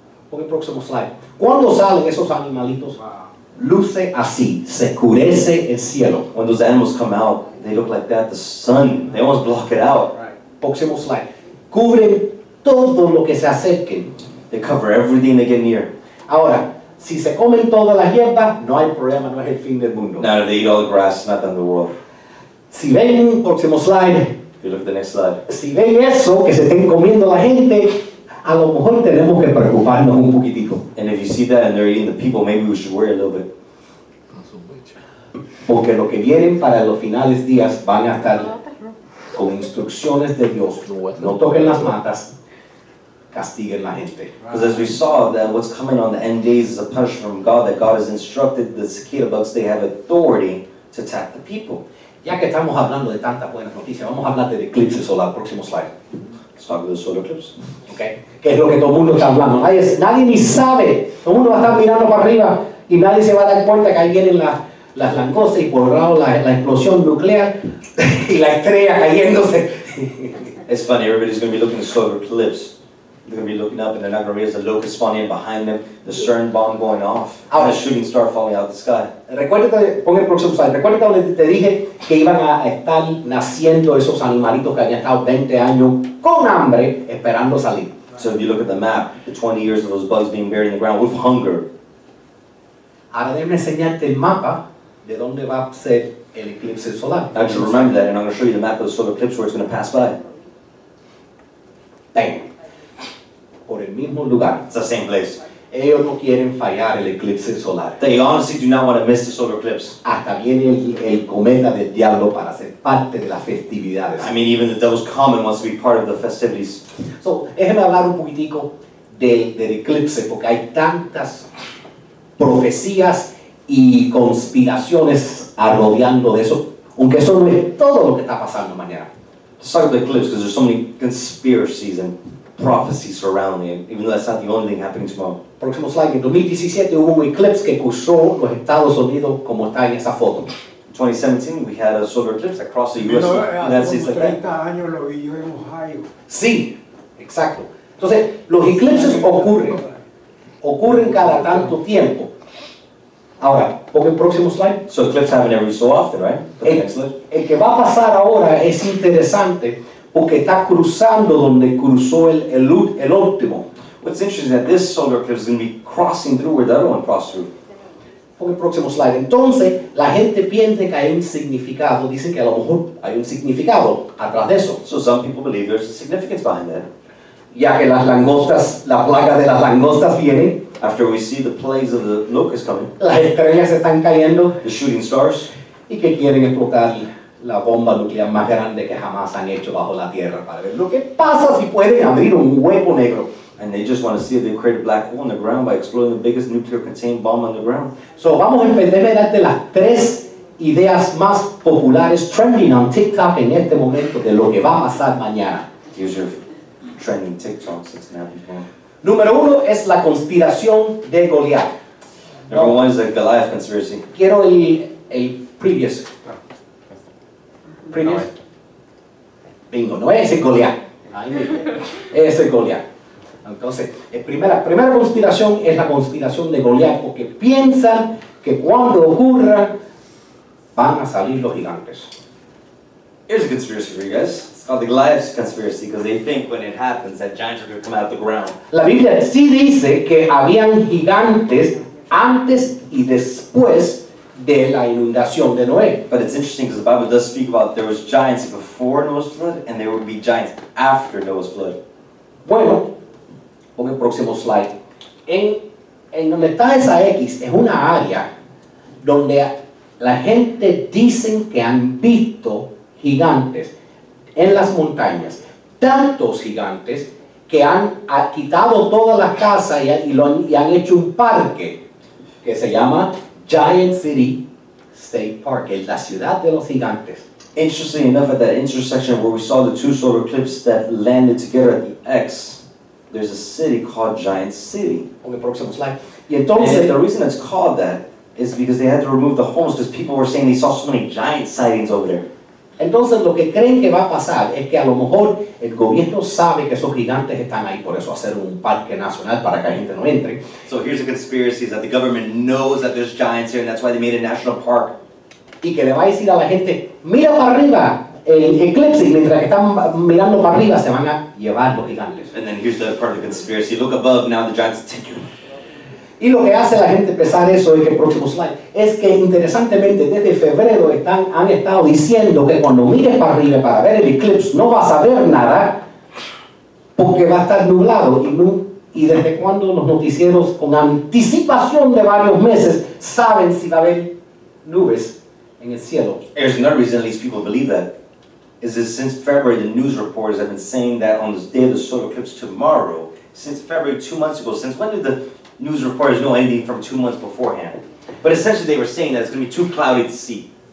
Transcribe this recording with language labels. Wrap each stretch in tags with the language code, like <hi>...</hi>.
<es>Ok, próximo slide. ¿Cuándo salen esos animalitos? Luce así. Se oscurece el cielo.</es> <en>When those animals come out, they look like that. The sun, they almost block it out. Right.</en> <es>Próximo slide. Cubren todo lo que se acerquen.</es> <en>They cover everything they get near.</en> <es>Ahora, si se comen toda la hierba, no hay problema, no es el fin del mundo.</es> <en>Now, they eat all the grass, not the end of the world.</en> <es>Si ven, próximo slide.</es> <en>If you look at the next slide.</en> <es>Si ven eso, que se estén comiendo la gente, a lo mejor tenemos que preocuparnos un poquitico.</es> <en>And if you see that and they're eating the people, maybe we should worry a little bit.</en> <es>Porque lo que vienen para los finales días van a estar con instrucciones de Dios. No toquen las matas. Castiguen la gente.</es> <en>Because as we saw, that what's coming on the end days is a punishment from God, that God has instructed the cicada bugs, they have authority to attack the people.</en> <es>Ya que estamos hablando de tantas buenas noticias, vamos a hablar del eclipse solar. Próximo slide.</es> <en>Let's talk about the solar eclipse. Okay.</en> <es>¿Qué es lo que todo el mundo está hablando? Nadie ni sabe. Todo el mundo va a estar mirando para arriba y nadie se va a dar cuenta que ahí vienen las langostas y por un lado la explosión nuclear y la estrella cayéndose.</es> <en>It's funny, everybody's going to be looking at the solar eclipse. They're going to be looking up and they're not going to realize the locust spawning in behind them, the CERN bomb going off,</en> <es>ahora,</es> <en>and a shooting star falling out of the sky.</en> <es>Pon el próximo slide. Recuerda que te dije que iban a estar naciendo esos animalitos que habían estado 20 años con hambre esperando salir.</es> <en>So if you look at the map, the 20 years of those bugs being buried in the ground with hunger.</en> <es>Ahora déjame enseñarte el mapa de dónde va a ser el eclipse solar.</es> <en>I should remember that, and I'm going to show you the map of the solar eclipse where it's going to pass by.</en> <es>Bang. Por el mismo lugar.</es> <en>It's the same place.</en> <es>Ellos no quieren fallar el eclipse solar.</es> <en>They honestly do not want to miss the solar eclipse.</en> <es>Hasta viene el cometa del diablo para ser parte de las festividades.</es> <en>I mean, even the devil's comet wants to be part of the festivities.</en> <es>So, déjeme hablar un poquitico del eclipse, porque hay tantas profecías y conspiraciones rodeando de eso, aunque eso no es todo lo que está pasando mañana.</es> <en>Let's talk about the eclipse, because there's so many conspiracies and prophecy surrounding it, even though that's not the only thing happening tomorrow.</en> <es>Próximo slide. En 2017 hubo un eclipse que cruzó los Estados Unidos como está en esa foto.</es> <en>In 2017, we had a solar eclipse that crossed the U.S. That's it.</en> <es>30 años lo vi yo en Ohio. Sí, exacto. Entonces, los eclipses ocurren cada tanto tiempo. Ahora, porque el próximo slide.</es> <en>So eclipses happen every so often, right?</en> <es>El que va a pasar ahora es interesante. o que está cruzando donde cruzó el último.</es> <en>What's interesting is that this solar eclipse is going to be crossing through where the other one crossed through.</en> <es>Por el próximo slide. Entonces, la gente piensa que hay un significado. Dicen que a lo mejor hay un significado atrás de eso.</es> <en>So some people believe there's a significance behind that.</en> <es>Ya que las langostas, la plaga de las langostas viene.</es> <en>After we see the plagues of the locusts coming.</en> <es>Las estrellas están cayendo.</es> <en>The shooting stars.</en> <es>Y que quieren explotar la bomba nuclear más grande que jamás han hecho bajo la Tierra. Para ver lo que pasa si pueden abrir un hueco negro.</es> <en>And they just want to see if they create a black hole in the ground by exploding the biggest nuclear-contained bomb on the ground.</en> <es>So, vamos a empezar a darte las tres ideas más populares</es> <en>trending on TikTok</en> <es>en este momento de lo que va a pasar mañana.</es> <en>Here's your trending TikToks that's going to happen tomorrow.</en> <es>Número uno es la conspiración de Goliath.</es> <en>Number one is the Goliath conspiracy.</en> <es>Quiero el previous. Previous? Bingo, no es el Goliath. Es el Goliath. Entonces, primera conspiración es la conspiración de Goliat, porque piensan que cuando ocurra, van a salir los gigantes.</es> <en>Here's a conspiracy for you guys. It's called the Goliath conspiracy, because they think when it happens that giants are going to come out of the ground.</en> <es>La Biblia sí dice que habían gigantes antes y después de la inundación de Noé.</es> <en>But it's interesting because the Bible does speak about there was giants before Noah's flood, and there would be giants after Noah's flood.</en> <es>Bueno, con el próximo slide. En donde está esa X, es una área donde la gente dicen que han visto gigantes en las montañas. Tantos gigantes que han quitado todas las casas y han hecho un parque que se llama Giant City State Park, la ciudad de los gigantes.</es> <en>Interesting enough, at that intersection where we saw the two solar eclipses that landed together at the X, there's a city called Giant City. On the próximo slide.</en> <es>Y entonces,</es> <en>and the reason it's called that is because they had to remove the homes because people were saying they saw so many giant sightings over there.</en> <es>Entonces, lo que creen que va a pasar es que a lo mejor el gobierno sabe que esos gigantes están ahí, por eso hacer un parque nacional para que la gente no entre.</es> <en>So here's a conspiracy is that the government knows that there's giants here and that's why they made a national park.</en> <es>Y que le va a decir a la gente, mira para arriba. El eclipse, mientras que están mirando para arriba, se van a llevar los gigantes.</es> <en>And then here's the part of the conspiracy. Look above, now the giants take you.</en> <es>Y lo que hace la gente pensar eso es que el próximo slide es que interesantemente desde febrero han estado diciendo que cuando mires para arriba para ver el eclipse no vas a ver nada porque va a estar nublado. Y desde cuando los noticieros con anticipación de varios meses saben si va a haber nubes en el cielo.</es> <en>There's no reason these people believe that. Is that since February, the news reporters have been saying that on the day of the solar eclipse tomorrow, since February, 2 months ago, since when did the news reporters know anything from 2 months beforehand? But essentially, they were saying that it's going to be too cloudy to see.</en>